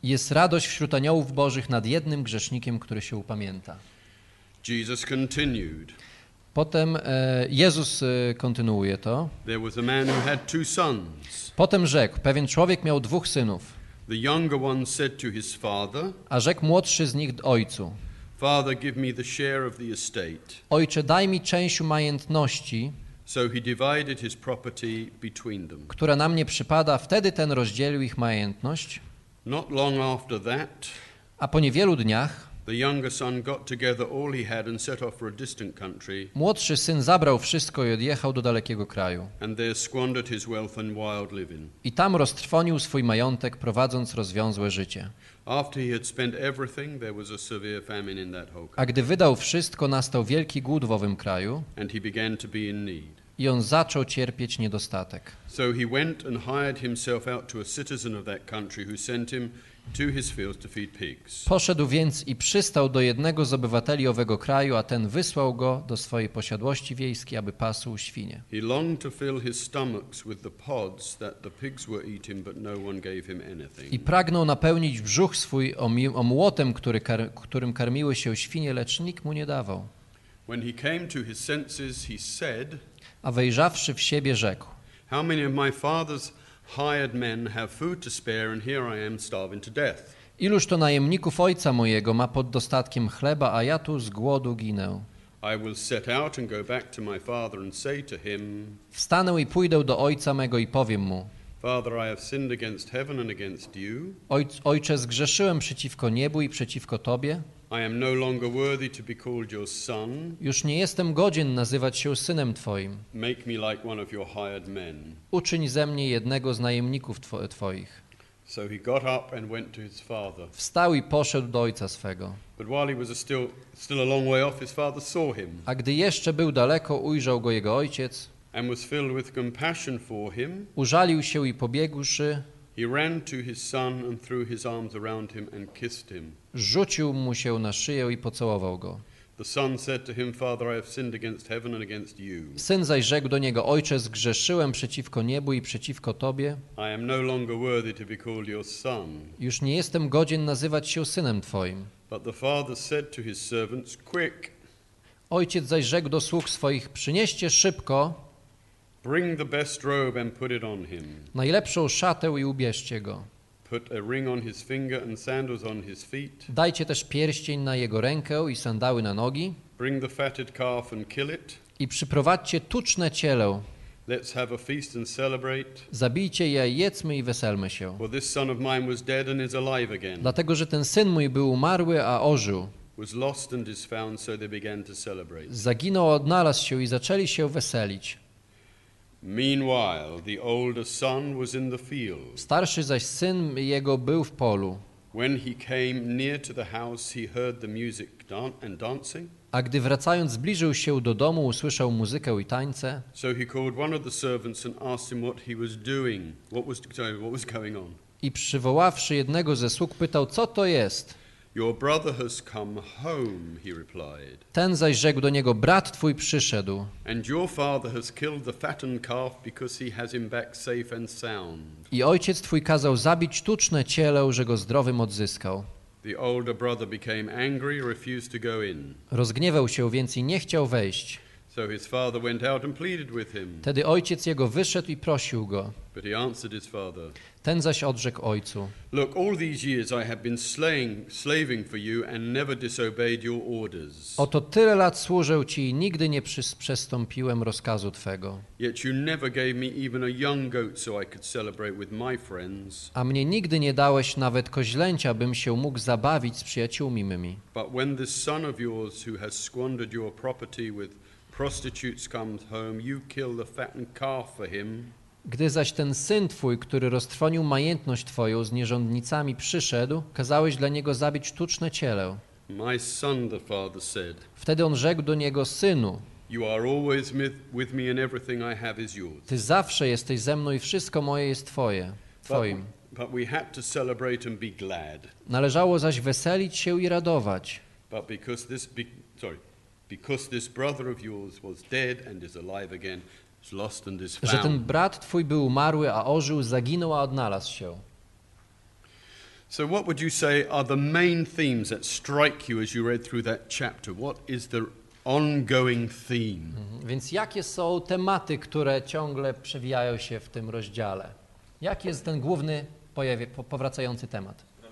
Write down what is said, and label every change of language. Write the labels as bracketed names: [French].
[Polish] Jest radość wśród aniołów Bożych nad jednym grzesznikiem, który się upamięta. [English] Jesus continued. [Polish] Potem Jezus kontynuuje to. [English] There was a man who had two sons. [Polish] Potem rzekł, pewien człowiek miał dwóch synów. [English] The younger one said to his father, [Polish] a rzekł młodszy z nich ojcu. [English] Father, give me the share of the estate. [Polish] Ojcze, daj mi część majątności. [English] So he divided his property between them. [Polish] Która na mnie przypada, wtedy ten rozdzielił ich majątność. [English] Not long after that, [Polish] a po niewielu dniach, [English] the younger son got together all he had and set off for a distant country. [Polish] Młodszy syn zabrał wszystko i odjechał do dalekiego kraju. [English] And there squandered his wealth and wild living. [Polish] I tam roztrwonił swój majątek, prowadząc rozwiązłe życie. [English] After he had spent everything, there was a severe famine in that whole country. [Polish] A gdy wydał wszystko, nastał wielki głód w owym kraju. [English] And he began to be in need. [Polish] I on zaczął cierpieć niedostatek. [English] So he went and hired himself out to a citizen of that country who sent him to his fields to feed pigs. [Polish] Poszedł więc i przystał do jednego z obywateli owego kraju, a ten wysłał go do swojej posiadłości wiejskiej, aby pasł świnie. [English] He longed to fill his stomachs with the pods that the pigs were eating, but no one gave him anything. [Polish] I pragnął napełnić brzuch swój omłotem, którym karmiły się świnie, lecz nikt mu nie dawał. [English] When he came to his senses, he said, [Polish] a wejrzawszy w siebie, rzekł, [English] how many of my father's hired men have food to spare, and here I am starving to death. [Polish] Iluż to najemników ojca mojego ma pod dostatkiem chleba, a ja tu z głodu ginę. [English] I will set out and go back to my father and say to him. [Polish] Wstanę i pójdę do ojca mego i powiem mu. [English] Father, I have sinned against heaven and against you. [Polish] Ojcze, zgrzeszyłem przeciwko niebu i przeciwko tobie. [English] I am no longer worthy to be called your son. [Polish] Już nie jestem godzien nazywać się synem twoim. [English] Make me like one of your hired men. [Polish] Uczyń ze mnie jednego z najemników twoich. [English] So he got up and went to his father. [Polish] Wstał i poszedł do ojca swego. [English] But while he was still a long way off, his father saw him. [Polish] A gdy jeszcze był daleko, ujrzał go jego ojciec. [English] And was filled with compassion for him. [Polish] Użalił się i pobiegłszy, [English] he ran to his son and threw his arms around him and kissed him. [Polish] Rzucił mu się na szyję i pocałował go. [English] The son said to him, Father, I have sinned against heaven and against you. [Polish] Syn zaś rzekł do niego, ojcze, zgrzeszyłem przeciwko niebu i przeciwko tobie. [English] I am no longer worthy to be called your son. [Polish] Już nie jestem godzien nazywać się synem twoim. [English] But the father said to his servants, quick. [Polish] Ojciec zaś rzekł do sług swoich, przynieście szybko. [English] Bring the best robe and put it on him. [Polish] Najlepszą szatę i ubierzcie go. [English] Put a ring on his finger and sandals on his feet. [Polish] Dajcie też pierścień na jego rękę i sandały na nogi. [English] Bring the fatted calf and kill it. [Polish] I przyprowadźcie tuczne cielę. [English] Let's have a feast and celebrate. [Polish] Zabijcie je, jedzmy i weselmy się. [English] For this son of mine was dead and is alive again. [Polish] Dlatego, że ten syn mój był umarły, a ożył. [English] Was lost and is found, so they began to celebrate. [Polish] Zaginął, odnalazł się i zaczęli się weselić. [English] Meanwhile, the older son was in the field. [Polish] Starszy zaś syn jego był w polu. [English] When he came near to the house, he heard the music and dancing. [Polish] A gdy wracając zbliżył się do domu, usłyszał muzykę i tańce. [English] So he called one of the servants and asked him what he was doing. What was going on? [Polish] I przywoławszy jednego ze sług, pytał, co to jest? [English] Your brother has come home, he replied. [Polish] Ten zaś rzekł do niego, brat twój przyszedł. [English] And your father has killed the fattened calf because he has him back safe and sound. [Polish] I ojciec twój kazał zabić tuczne ciele, że go zdrowym odzyskał. [English] The older brother became angry, refused to go in. [Polish] Rozgniewał się więc i nie chciał wejść. [English] So his father went out and pleaded with him. [Polish] Tedy ojciec jego wyszedł i prosił go. [English] But he answered his father. [Polish] Ten zaś odrzekł ojcu. [English] Look, all these years I have been slaving for you and never disobeyed your orders. [Polish] Oto tyle lat służę ci i nigdy nie przestąpiłem rozkazu twego. [English] Yet you never gave me even a young goat so I could celebrate with my friends. [Polish] A mnie nigdy nie dałeś nawet koźlęcia, bym się mógł zabawić z przyjaciółmi mymi. [English] But when this son of yours who has squandered your property with prostitutes comes home, you kill the fattened calf for him. [Polish] Gdy zaś ten syn twój, który roztrwonił majętność twoją z nierządnicami, przyszedł, kazałeś dla niego zabić tuczne ciele. [English] My son, the father said. [Polish] Wtedy on rzekł do niego, synu, [English] you are always with me and everything I have is yours. [Polish] Ty zawsze jesteś ze mną i wszystko moje jest twoje, twoim. [English] But we had to celebrate and be glad. [Polish] Należało zaś weselić się i radować. [English] But because this because this brother of yours was dead and is alive again, is lost and is found. [Polish] Że ten brat twój był umarły, a ożył, zaginął, a odnalazł się. [English] So what would you say are the main themes that strike you as you read through that chapter? What is the ongoing theme? Mm-hmm. [Polish] Więc jakie są tematy, które ciągle przewijają się w tym rozdziale? Jaki jest ten główny powracający temat?